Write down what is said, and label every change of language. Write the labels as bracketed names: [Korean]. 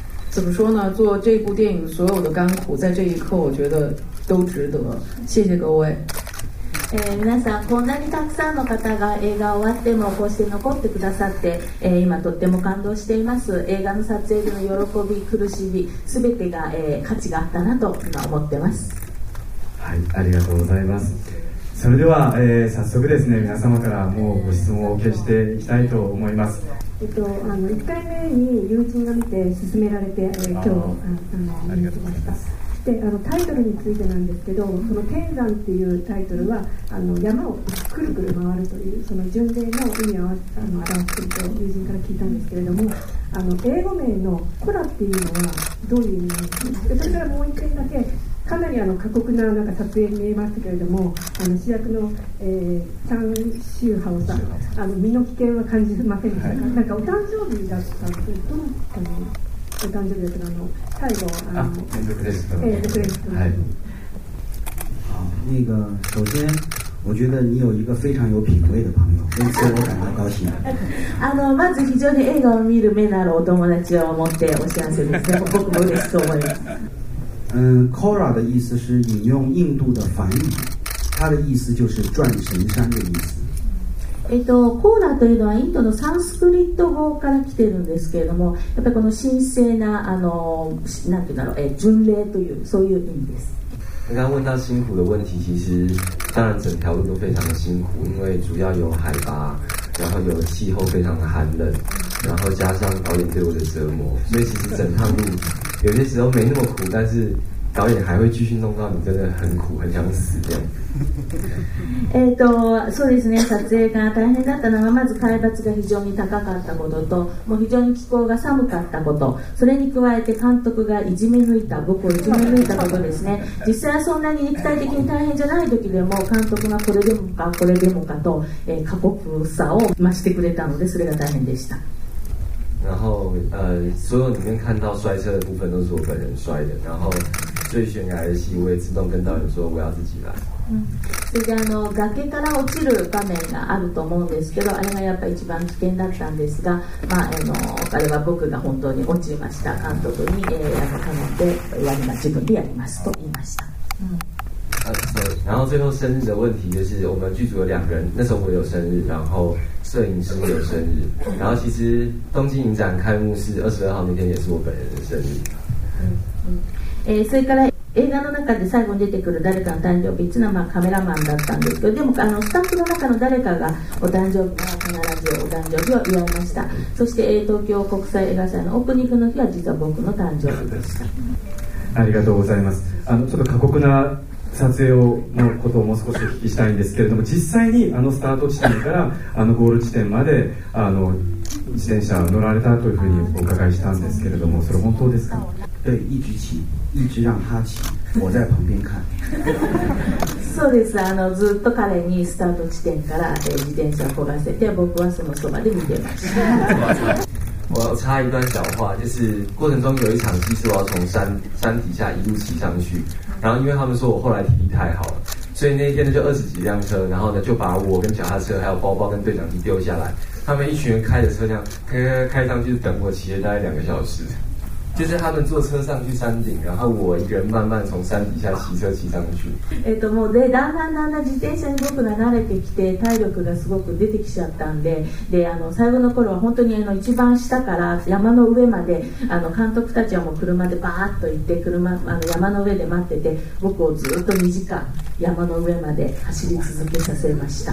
[Chinese] 怎么说呢，做这部电影所有的甘苦在这一刻我觉得都值得，谢谢各位。 [Japanese] 皆さんこんなにたくさんの方が映画終わってもこうして残ってくださって、今とっても感動しています。映画の撮影での喜び苦しみ全てが、価値があったなと今思ってます。はい、ありがとうございます。それでは、早速ですね皆様からもうご質問をお受けしていきたいと思います。 1回目に友人が見て勧められて、今日見てました。でタイトルについてなんですけど、その天山っていうタイトルは山をくるくる回るというその巡礼の意味を表していると友人から聞いたんですけれども、英語名のコラっていうのはどういう意味なんですか。でそれからもう1点だけ、かなり過酷 なんか撮影に見えましたけれども、主役の、チャン・シューハオさん、身の危険は感じませんでした、はい、なんかお誕生日だったんですけど、お誕生日だったの最後あのあ連続レストランの、連続レストランの、はい、 [Chinese] 好、那个首先我觉得你有一个非常有品味的朋友，因此我感到高兴。 [Japanese] まず非常に映画を見る目のあるお友達を持ってお幸せですね。僕も嬉しいと思います。 [Chinese] Kora 的意思是引用印度的梵语，它的意思就是转神山的意思。 [Japanese] Kora というのはインドのサンスクリット語から来てるんですけれども、やっぱりこの神聖な何て言うんだろう、巡礼というそういう意味です。 [Chinese] 刚刚问到辛苦的问题，其实当然整条路都非常的辛苦，因为主要有海拔，然后有气候非常的寒冷，然后加上导演对我的折磨，所以其实整趟路有些时候没那么苦，但是导演还会继续弄到你真的很苦，很想死这样。 [Japanese] そうですね、撮影が大変だったのはまず海抜が非常に高かったことと、もう非常に気候が寒かったこと、それに加えて監督がいじめ抜いた、僕をいじめ抜いたことですね。実際はそんなに肉体的に大変じゃない時でも監督がこれでもかこれでもかと、過酷さを増してくれたので、それが大変でした。 [Chinese] 然后所有里面看到摔车的部分都是我本人摔的，然后最悬崖的戏，我也自动跟导演说我要自己来。 [Japanese] それであの崖から落ちる場面があると思うんですけど、あれがやっぱり一番危険だったんですが、まあ、彼は僕が本当に落ちました、監督に頼んで自分でやりますと言いました。 [Chinese] 然后最后生日的问题就是，我们剧组有两个人，那时候我有生日，然后摄影师有生日，然后其实东京影展开幕式22号那天也是我本人的生日。 [Japanese] それから映画の中で最後に出てくる誰かの誕生日、いつのまあカメラマンだったんですけど、でもあのスタッフの中の誰かがお誕生日は必ずお誕生日を祝いました。そして東京国際映画祭のオープニングの日は実は僕の誕生日でした。ありがとうございます。あのちょっと過酷な撮影をのことをもう少しお聞きしたいんですけれども、実際にあのスタート地点からあのゴール地点まであの自転車乗られたというふうにお伺いしたんですけれども、それ本当ですか？ [Chinese] 对，一直骑，一直让他骑，我在旁边看。 [Japanese] そうです、あのずっと彼にスタート地点から自転車こがせて、僕はそのそばで見てました。 [Chinese] 我要插一段小话，就是过程中有一场戏是我要从山底下一路骑上去，然后因为他们说我后来体力太好了，所以那一天呢就20几辆车，然后呢就把我跟脚踏车还有包包跟对讲机丢下来，他们一群人开着车这样开上去，等我骑了大概2个小时，就是他们坐车上去山顶，然后我一个人慢慢从山底下骑车骑上去。 [Japanese] もうでだんだんだんだん自転車に僕が慣れてきて体力がすごく出てきちゃったんで、であの最後の頃は本当にあの一番下から山の上まであの監督たちはもう車でバーッと行って車あの山の上で待ってて、僕をずっと2時間山の上まで走り続けさせました。